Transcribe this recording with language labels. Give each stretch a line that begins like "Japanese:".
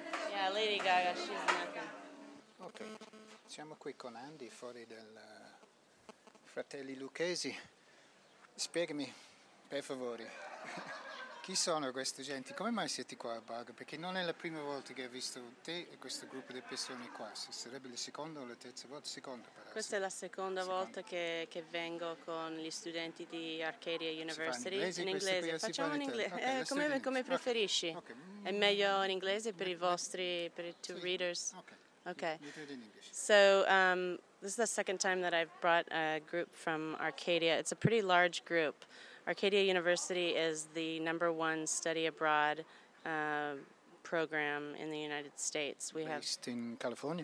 English: Yeah, Lady Gaga, she's nothing.
Italian: Ok, siamo qui con Andy, fuori del Fratelli Lucchesi. Spiegami, per favore, chi sono queste gente? Come mai siete qua a Bago? Perché non è la prima volta che ho visto te e questo gruppo di persone qua. Se sarebbe la seconda o la terza volta? Seconda, però. Questa è la seconda volta che vengo con gli studenti di Arcadia University. Si fa in inglese. Facciamo in inglese. Okay, come preferisci. Okay. È meglio in inglese per i vostri, per i two
English: so, readers. Okay. So this is the second time that I've brought a group from Arcadia. It's a pretty large group. Arcadia University is the number one study abroad program in the United States. Based in California?